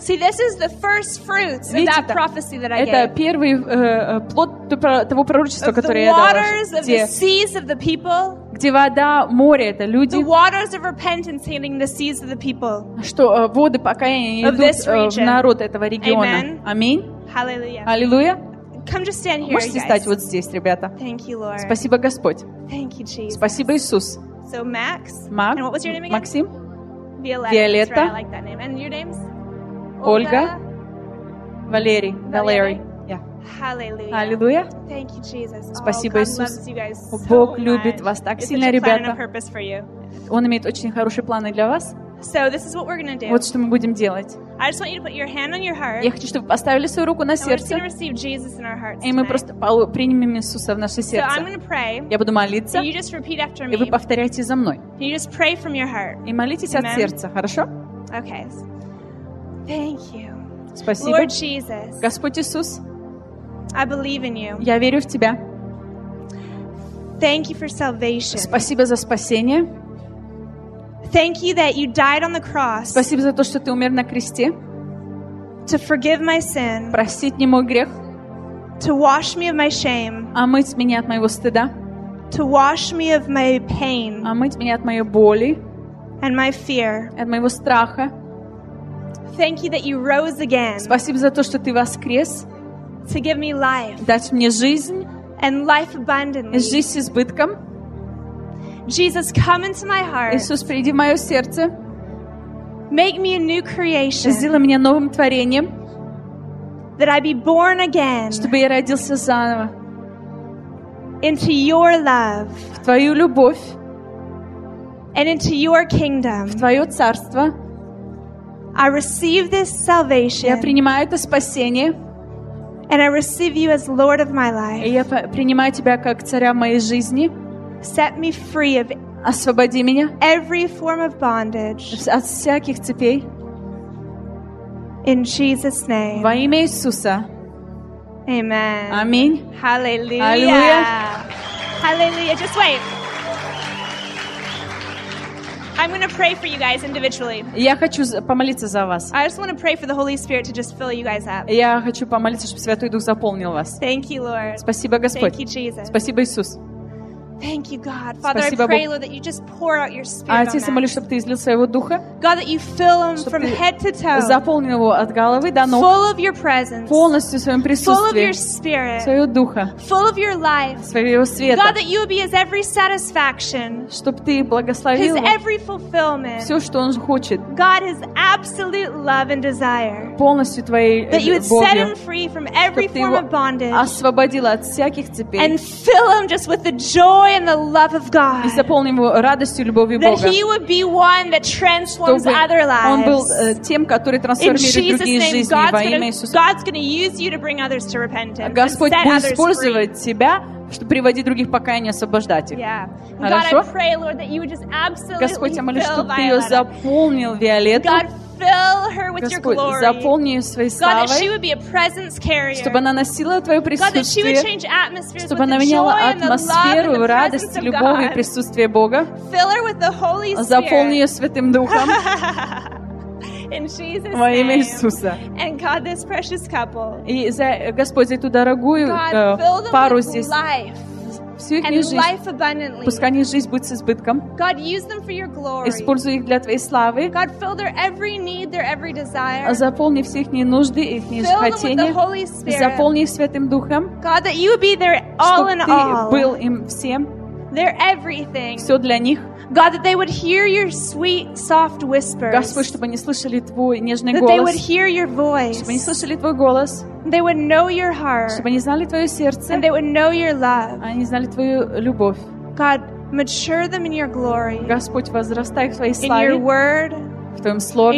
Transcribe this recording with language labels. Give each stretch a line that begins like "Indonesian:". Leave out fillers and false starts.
English: See, this is the first fruits of that prophecy that I gave.
Russian: Это первый плод того пророчества, которое я дал.
English: The waters of the seas of the people.
Russian: Где вода, море, это люди.
English: The waters of repentance healing the seas of the people.
Russian: Что воды покаяния идут в народ этого региона. Аминь.
English: Hallelujah.
Russian: Аллилуйя.
English: Come just stand here,
Russian: Можете
English: guys.
Russian: Стать вот здесь, ребята.
English: Thank you, Lord.
Russian: Спасибо, Господь.
English: Thank you, Jesus.
Russian: Спасибо, Иисус.
English: So Max. Max. And what was your name again?
Russian: Максим. Виолетта.
English: That's right. I like that name. And your names?
Russian: Ольга. Валерий. Валерий.
English: Yeah. Hallelujah. Hallelujah. Thank you, Jesus.
Russian: Спасибо,
English: oh,
Russian: Иисус.
English: God loves you guys so
Russian: Бог
English: much.
Russian: Любит вас так
English: It's
Russian: сильно, ребята.
English: It's a plan and a purpose for you.
Russian: Он имеет очень хорошие планы для вас.
English: So this is what we're gonna do.
Russian: Вот что мы будем делать.
English: I just want you to put your hand on your heart.
Russian: Я хочу, чтобы вы поставили свою руку на сердце.
English: And we're gonna receive Jesus in our hearts
Russian: tonight. И мы просто примем Иисуса в наше сердце.
English: So I'm gonna pray.
Russian: Я буду молиться.
English: And you just repeat after me.
Russian: И вы повторяете за мной.
English: And you just pray from your heart.
Russian: И молитесь Amen. От сердца, хорошо?
English: Okay. Thank you.
Russian: Спасибо.
English: Lord Jesus.
Russian: Господь Иисус.
English: I believe in you.
Russian: Я верю в тебя.
English: Thank you for salvation.
Russian: Спасибо за спасение.
English: Thank you that you died on the cross.
Russian: Спасибо за то, что ты умер на кресте.
English: To forgive my sin.
Russian: Простить мне мой грех.
English: To wash me of my shame.
Russian: Омыть меня от моего стыда.
English: To wash me of my pain.
Russian: Омыть меня от моей боли.
English: And my fear.
Russian: От моего страха.
English: Thank you that you rose again.
Russian: Спасибо за то, что ты воскрес.
English: To give me life.
Russian: Дать мне жизнь.
English: And life abundantly.
Russian: И жизнь с избытком.
English: Jesus, come into my heart.
Russian: Иисус, приди в мое сердце.
English: Make me a new creation.
Russian: Сделай меня новым творением.
English: That I be born again.
Russian: Чтобы я родился заново.
English: Into your love.
Russian: В твою любовь.
English: And into your kingdom.
Russian: В твое царство.
English: I receive this salvation.
Russian: Я принимаю это спасение.
English: And I receive you as Lord of my life.
Russian: И я принимаю тебя как царя моей жизни.
English: Set me free of
Russian: Освободи меня
English: every form of bondage.
Russian: От всяких цепей.
English: In Jesus' name.
Russian: Во имя Иисуса.
English: Amen.
Russian: Аминь.
English: Hallelujah. Hallelujah. Hallelujah. Just wait. I'm going to pray for you guys individually.
Russian: Я хочу помолиться за вас.
English: I just want to pray for the Holy Spirit to just fill you guys up.
Russian: Я хочу помолиться, чтобы Святой Дух заполнил вас.
English: Thank you, Lord.
Russian: Спасибо, Господь.
English: Thank you, Jesus.
Russian: Спасибо, Иисус.
English: Thank you, God. Father, I pray, Lord, that you just pour out your Spirit.
Russian: Отец, я молюсь, чтобы ты излил своего духа.
English: God, that you fill him from head to toe.
Russian: Заполнил его от головы до ног.
English: Full of your presence.
Russian: Полностью своим присутствием.
English: Full of your Spirit.
Russian: Своего духа.
English: Full of your life.
Russian: Своего света.
English: God, that you would be his every satisfaction.
Russian: Чтоб ты благословил
English: его. His every fulfillment.
Russian: Все, что он хочет.
English: God, his absolute love and desire.
Russian: Полностью твоей любовью.
English: That you would set him free from every form of bondage.
Russian: Освободил от всяких цепей.
English: And fill him just with the joy. In the love of God.
Russian: И заполним его радостью, любовью
English: that
Russian: Бога.
English: That he would be one that transforms other lives.
Russian: Он был тем, который трансформирует другие жизни.
English: God's going to use you to bring others to repentance.
Russian: Господь будет использовать тебя, чтобы приводить других к покаянию, освобождать их.
English: Yeah. Хорошо? God, I pray, Lord, that you would just absolutely
Russian: Господь, я молюсь, чтобы ты ее заполнил, Виолетту.
English: Fill her with
Russian: Господь,
English: your glory.
Russian: Заполни ее своей славой.
English: God, that she would be a presence carrier.
Russian: Чтобы она носила твое присутствие.
English: God, that she would change atmospheres
Russian: чтобы она меняла атмосферу, радость, любовь и присутствие Бога.
English: Fill her with the Holy Spirit.
Russian: Заполни ее Святым Духом.
English: In Jesus' name.
Russian: Во имя Иисуса.
English: And God, this precious couple.
Russian: И за, Господь, за эту дорогую
English: God,
Russian: пару здесь.
English: Life. And life abundantly.
Russian: Пускай у них жизнь будет с избытком.
English: God, use them for your glory.
Russian: Используй их для твоей славы.
English: God, fill their every need, their every desire.
Russian: Заполни все их нужды, их хотения.
English: Fill them with the Holy Spirit.
Russian: Заполни их Святым Духом.
English: God, that you would be their all in all.
Russian: Чтобы ты был им всем.
English: Their everything.
Russian: Все для них.
English: God, that they would hear your sweet, soft whispers.
Russian: Господь, чтобы они слышали твой нежный голос.
English: That they would hear your voice.
Russian: Чтобы они слышали твой голос.
English: They would know your heart.
Russian: Чтобы они знали твое сердце.
English: And they would know your love.
Russian: Они знали твою любовь.
English: God, mature them in your glory.
Russian: Господь, возрастай в твоей славе.
English: In your word.
Russian: В твоем слове.